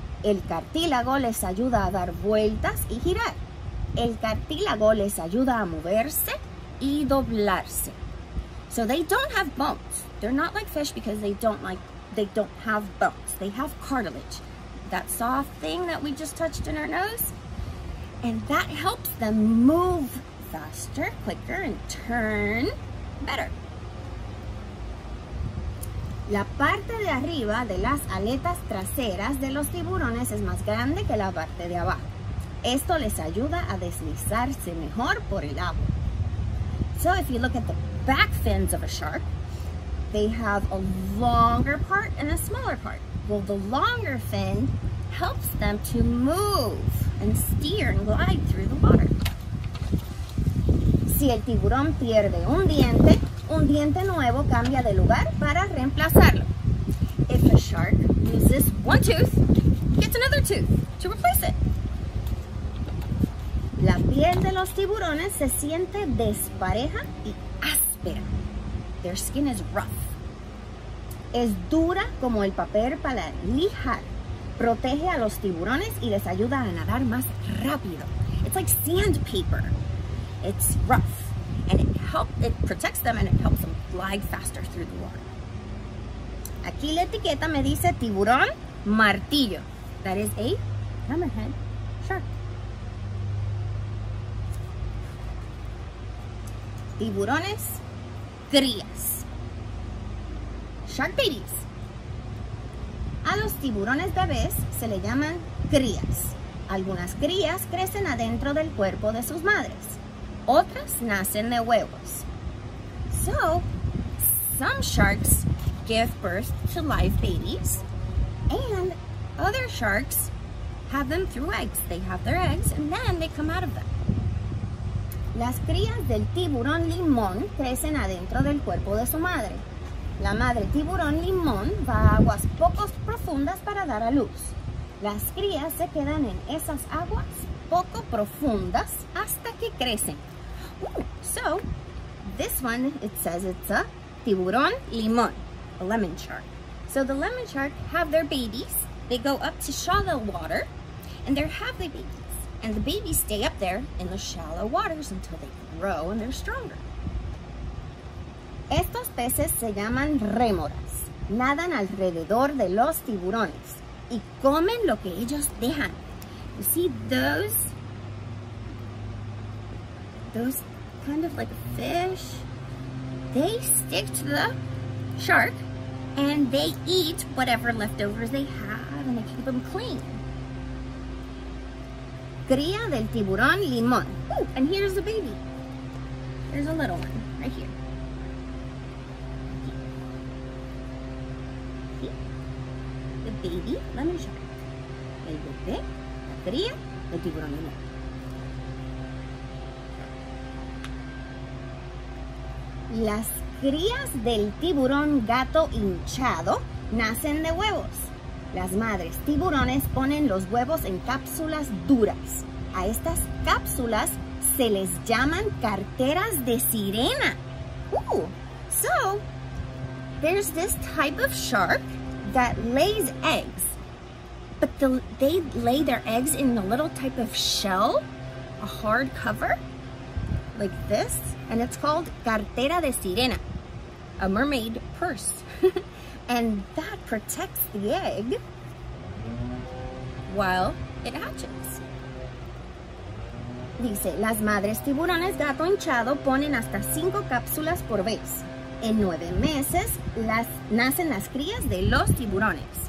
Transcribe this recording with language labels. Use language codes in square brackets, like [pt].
[es] El cartílago les ayuda a dar vueltas y girar. El cartílago les ayuda a moverse y doblarse. [en] So they don't have bones. They're not like fish because they don't have bones. They have cartilage. That soft thing that we just touched in our nose. And that helps them move faster, quicker, and turn better. [es] La parte de arriba de las aletas traseras de los tiburones es más grande que la parte de abajo. Esto les ayuda a deslizarse mejor por el agua. [en] So if you look at the back fins of a shark, they have a longer part and a smaller part. Well, the longer fin helps them to move and steer and glide through the water. [es] Si el tiburón pierde un diente nuevo cambia de lugar para reemplazarlo. [en] If a shark loses one tooth, it gets another tooth to replace it. [es] La piel de los tiburones se siente despareja y áspera. [en] Their skin is rough. [es] Es dura como el papel para lijar. Protege a los tiburones y les ayuda a nadar más rápido. [en] It's like sandpaper. It's rough. And it protects them and it helps them glide faster through the water. [es] Aquí la etiqueta me dice tiburón martillo. [en] That is a hammerhead shark. [es] Tiburones crías. [en] Shark babies. [es] A los tiburones bebés se le llaman crías. Algunas crías crecen adentro del cuerpo de sus madres. Otras nacen de huevos. [en] So, some sharks give birth to live babies, and other sharks have them through eggs. They have their eggs, and then they come out of them. [es] Las crías del tiburón limón crecen adentro del cuerpo de su madre. La madre tiburón limón va a aguas poco profundas para dar a luz. Las crías se quedan en esas aguas poco profundas hasta que crecen. [en] So, this one, it says it's a tiburón limón, a lemon shark. So the lemon shark have their babies. They go up to shallow water and they have the babies. And the babies stay up there in the shallow waters until they grow and they're stronger. [es] Estos peces se llaman rémoras. Nadan alrededor de los tiburones y comen lo que ellos dejan. [en] You see those kind of like fish, they stick to the shark and they eat whatever leftovers they have and they keep them clean. [es] Cría del tiburón limón. [en] Ooh, and here's the baby. There's a little one right here. The baby lemon shark. [es] El bebé, la cría, el tiburón limón. Las crías del tiburón gato hinchado nacen de huevos. Las madres tiburones ponen los huevos en cápsulas duras. A estas cápsulas se les llaman carteras de sirena. [en] Ooh, so there's this type of shark that lays eggs, but they lay their eggs in a little type of shell, a hard cover, like this, and it's called cartera de sirena, a mermaid purse. And that protects the egg while it hatches. [es] Dice, las madres tiburones gato hinchado ponen hasta 5 cápsulas por vez. En 9 meses, nacen las crías de los tiburones.